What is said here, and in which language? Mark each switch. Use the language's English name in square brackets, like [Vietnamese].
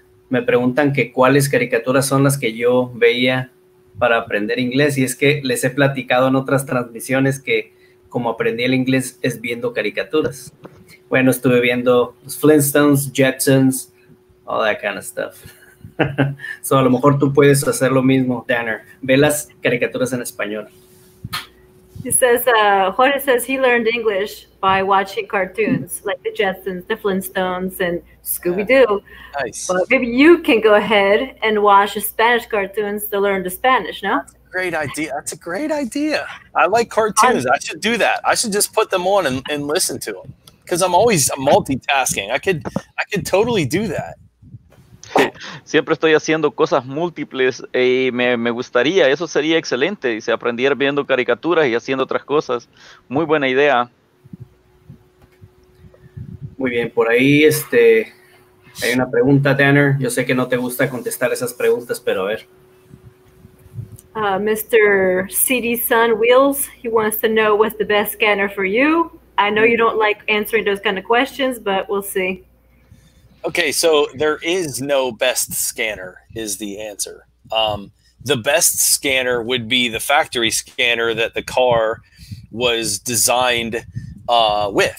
[Spanish] Me preguntan que cuáles caricaturas son las que yo veía para aprender inglés, y es que les he platicado en otras transmisiones que como aprendí el inglés es viendo caricaturas. Bueno, estuve viendo los Flintstones, Jetsons, [English] all that kind of stuff. [Spanish] So, a lo mejor tú puedes hacer lo mismo, Danner. Ve las caricaturas en español. [English] He says, Jorge says he learned English by watching cartoons like the Jetsons, the Flintstones, and Scooby-Doo. Nice. But maybe you can go ahead and watch Spanish cartoons to learn the Spanish, no? Great idea. That's a great idea. I like cartoons. I should do that. I should just put them on and listen to them because I'm always multitasking. I could totally do that. [Spanish] Siempre estoy haciendo cosas múltiples y me gustaría, eso sería excelente, dice, aprender viendo caricaturas y haciendo otras cosas. Muy buena idea. Muy bien, por ahí hay una pregunta, Danner. Yo sé que no te gusta contestar esas preguntas, pero a ver. [English] Mr. CD Sun Wheels, he wants to know what's the best scanner for you. I know you don't like answering those kind of questions, but we'll see. Okay, so there is no best scanner is the answer. The best scanner would be the factory scanner that the car was designed with.